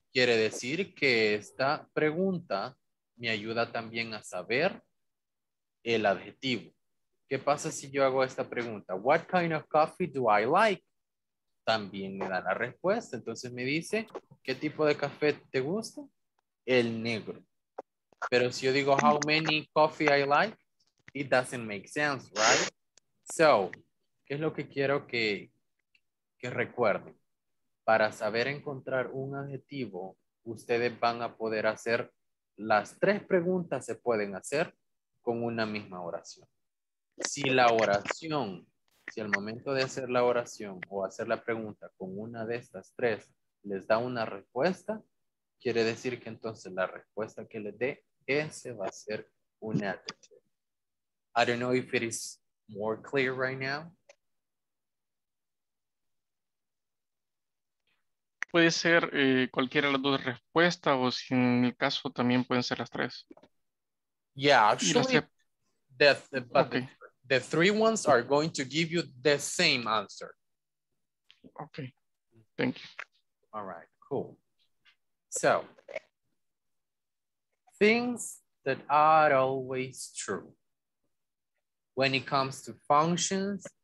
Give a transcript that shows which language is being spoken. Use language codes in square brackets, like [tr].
[es] Quiere decir que esta pregunta me ayuda también a saber el adjetivo. ¿Qué pasa si yo hago esta pregunta? [en] What kind of coffee do I like? [es] También me da la respuesta. Entonces me dice, ¿qué tipo de café te gusta? El negro. Pero si yo digo, [en] how many coffee I like? It doesn't make sense, right? [es] So, ¿qué es lo que quiero que recuerden? Para saber encontrar un adjetivo, ustedes van a poder hacer, las tres preguntas se pueden hacer con una misma oración. Si la oración, si al momento de hacer la oración o hacer la pregunta con una de estas tres les da una respuesta, quiere decir que entonces la respuesta que les dé, ese va a ser un adjetivo. [en] I don't know if it is more clear right now. [es] Puede ser cualquiera de las dos respuestas, o si en el caso también pueden ser las tres. [en] Yeah, actually, the three ones are going to give you the same answer. Okay, thank you. All right, cool. So, things that are always true when it comes to functions